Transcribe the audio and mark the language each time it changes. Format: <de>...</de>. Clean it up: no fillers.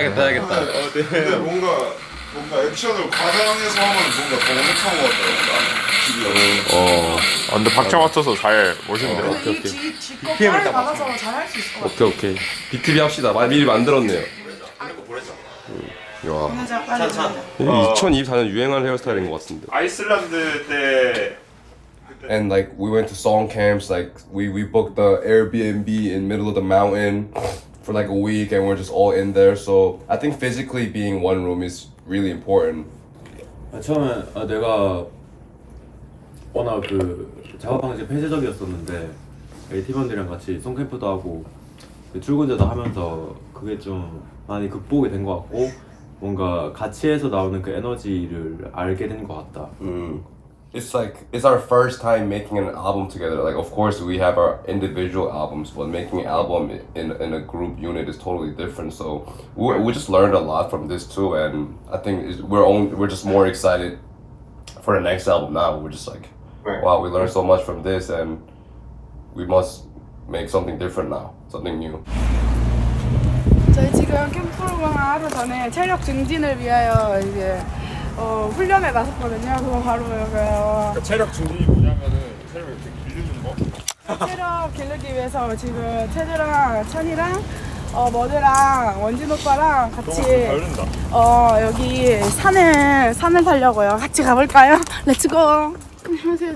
<ko>근데 뭔가 액션을 과장해서 하면 뭔가 더 못한 것 같다. 어. 근데 박자 맞춰서 잘 멋있는데. 오케이 오케이. 빨리 받아서 잘할 수 있을 것 같아. 오케이 오케이. 비티비 합시다. 미리 만들었네요. 야. 2024년 유행한 헤어스타일인 것 같은데. 아이슬란드 때.</ko> <en>And like we went to song camps, like we booked the Airbnb in middle of the mountain for like a week, and we're just all in there. So I think physically being one room is really important.</en> <ko>아 처음에 아 내가 워낙 그 작업 방식 폐쇄적이었었는데 팀원들이랑 같이 송 캠프도 하고 출근제도 하면서 그게 좀 많이 극복이 된 것 같고 뭔가 같이 해서 나오는 그 에너지를 알게 된 것 같다.</ko> <en>It's like, it's our first time making an album together. Like, of course, we have our individual albums, but making an album in a group unit is totally different. So we just learned a lot from this too. And I think we're just more excited for the next album now. We're just like, wow, we learned so much from this and we must make something different now, something new.</en> <ko>저희 지금 캠프로만 하루 전에 체력 증진을 위하여 이제 훈련에 나섰거든요. 그거 바로 여기요. 그러니까 체력 증진이 뭐냐면은 체력을 이렇게 길르는 거? 체력 길르기 위해서 지금 체드랑 찬이랑 머드랑 원진 오빠랑 같이 여기 산을 타려고요. 같이 가볼까요? 렛츠고! 안녕하세요.</ko>